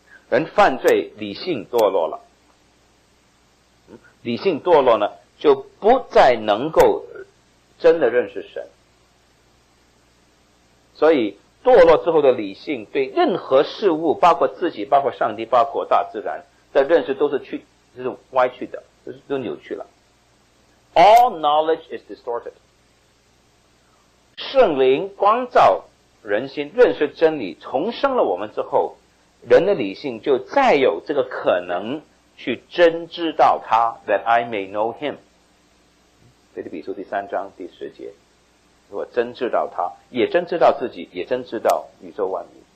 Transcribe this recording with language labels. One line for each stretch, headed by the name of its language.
Chinese: 人犯罪，理性堕落了，理性堕落呢，就不再能够真的认识神。所以堕落之后的理性，对任何事物，包括自己，包括上帝，包括大自然的认识都是去，就是歪去的，就是都扭曲了。
English: All knowledge is distorted.
Chinese: 圣灵光照人心，认识真理，重生了我们之后，人的理性就再有这个可能去真知道他。
English: That I may know him.
Chinese: 腓立比书第三章第十节，如果真知道他，也真知道自己，也真知道宇宙万物。